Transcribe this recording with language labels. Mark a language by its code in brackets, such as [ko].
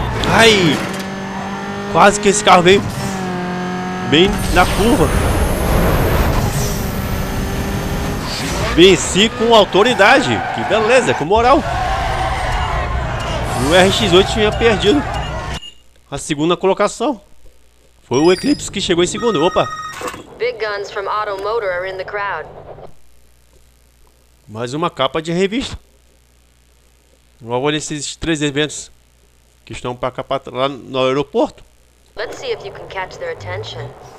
[pt] Ai, quase que esse carro veio bem na curva. Venci com autoridade. Que beleza, com moral. E o RX-8 tinha perdido a segunda colocação. Foi o Eclipse que chegou em segundo. Opa. [en] Big guns from Auto Motor are in the crowd. [pt] Mais uma capa de revista. Logo nesses três eventos que estão para cá lá no aeroporto. [en] Let's see if you can catch their attention.